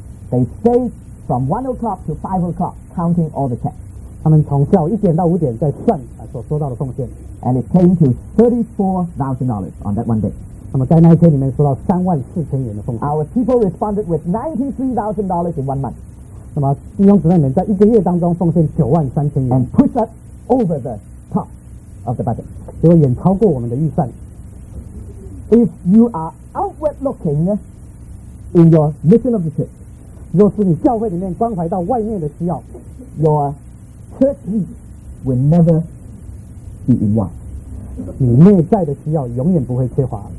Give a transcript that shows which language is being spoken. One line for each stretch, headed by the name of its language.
English: ，they stay from 1 o'clock to 5 o'clock counting all the checks.
Chinese: 他们从下午1点到5点在算所收到的奉献。
English: And it came to $34,000 on that one day.
Chinese: 那么在那一天里面收到34,000元的奉献。
English: Our people responded with $93,000 in 1 month.
Chinese: 那么弟兄姊妹们在一个月当中奉献93,000元。
English: And pushed us over the top of the budget.
Chinese: 结果远超过我们的预算。
English: If you are outward looking in your mission of the church,
Chinese: 若是你教会里面关怀到外面的需要
English: ，your church needs will never.
Chinese: 你内在的需要永远不会缺乏。